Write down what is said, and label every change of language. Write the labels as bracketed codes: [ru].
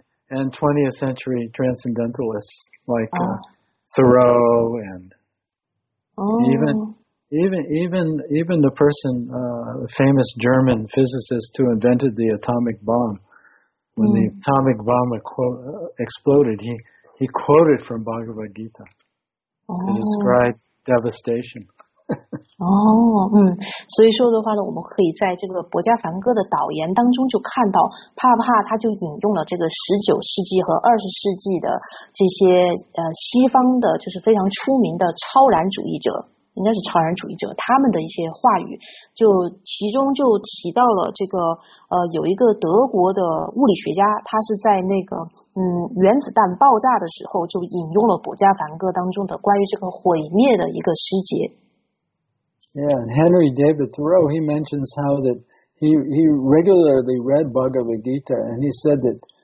[en] And 20th century transcendentalists like Thoreau and even the person, the famous German physicist who invented the atomic bomb. When the atomic bomb exploded, he quoted from Bhagavad Gita to describe devastation. [zh] 所以说的话呢，我们可以在这个博迦梵歌的导言当中就看到，帕帕他就引用了这个19世纪和20世纪的这些西方的就是非常出名的超然主义者，应该是超然主义者，他们的一些话语，就其中就提到了这个有一个德国的物理学家，他是在那个原子弹爆炸的时候就引用了博迦梵歌当中的关于这个毁灭的一个诗节。 [en] Yeah, Henry David Thoreau, he mentions how that he regularly read Bhagavad Gita, and he said that